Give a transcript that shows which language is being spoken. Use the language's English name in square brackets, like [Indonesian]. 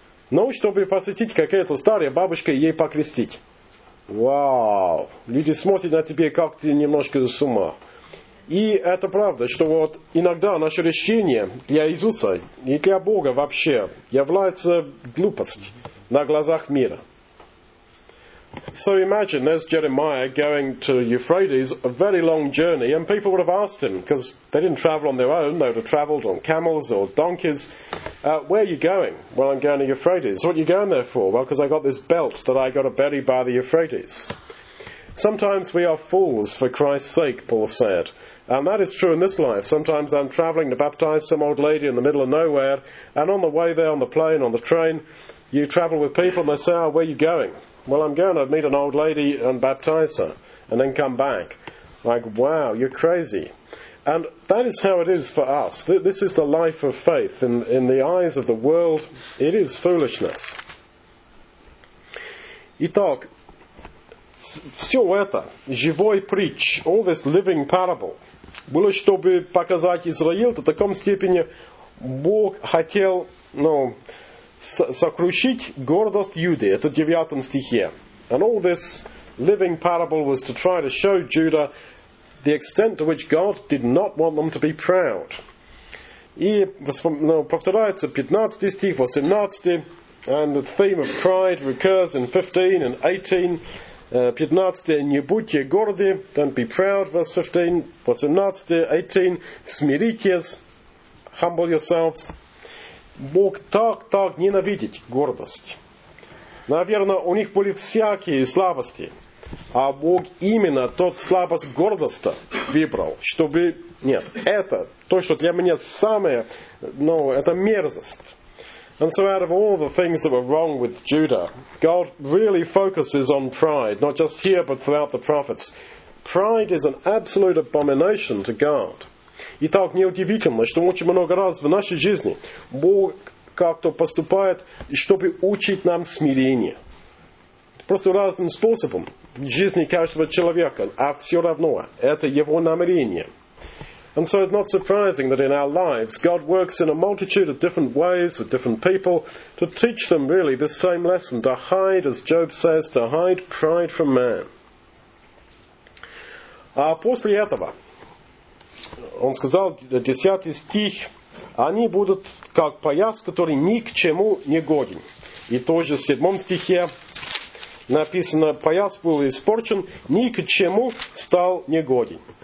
[Russian] Ну, чтобы посетить какую-то старую бабушку и ей покрестить. Вау! Люди смотрят на тебя, как ты немножко с ума. И это правда, что вот иногда наше решение для Иисуса и для Бога вообще является глупостью на глазах мира. [English] So imagine, there's Jeremiah going to Euphrates, a very long journey, and people would have asked him, because they didn't travel on their own, they would have traveled on camels or donkeys, where are you going? Well, I'm going to Euphrates. What are you going there for? Well, because I got this belt that I got to bury by the Euphrates. Sometimes we are fools for Christ's sake, Paul said. And that is true in this life. Sometimes I'm traveling to baptize some old lady in the middle of nowhere, and on the way there, on the plane, on the train, you travel with people and they say, oh, where are you going? Well, I'm going to meet an old lady and baptize her and then come back. Like, wow, you're crazy. And that is how it is for us. This is the life of faith. In the eyes of the world, it is foolishness. [Russian] Итак, все это, живой притч, [English] all this living parable, [Russian] было, чтобы показать Израиль, до такой степени Бог хотел, ну, сокрушить гордость Юды. Это в 9 стихе. [English] And all this living parable was to try to show Judah the extent to which God did not want them to be proud. [Russian] И, ну, повторяется 15 стих, 18, [English] and the theme of pride recurs in 15 and 18. 15, [Russian] не будьте горды, [English] don't be proud, verse 15, 18, 18, [Russian] смиритесь, [English] humble yourselves. [Russian] Бог так ненавидит гордость. Наверное, у них были всякие слабости. А Бог именно тот слабость гордости выбрал, чтобы... Нет, это то, что для меня самое... Ну, это мерзость. [English] And so out of all the things that were wrong with Judah, God really focuses on pride, not just here, but throughout the prophets. Pride is an absolute abomination to God. [Russian] Итак, неудивительно, что очень много раз в нашей жизни Бог как-то поступает, чтобы учить нам смирение. Просто разным способом в жизни каждого человека, а все равно это его намерение. [English] And so it's not surprising that in our lives God works in a multitude of different ways with different people to teach them really this same lesson, to hide, as Job says, to hide pride from man. [Russian] А после этого он сказал 10 стих: они будут как пояс, который ни к чему не годен. И тоже в 7 стихе написано: пояс был испорчен, ни к чему стал негоден.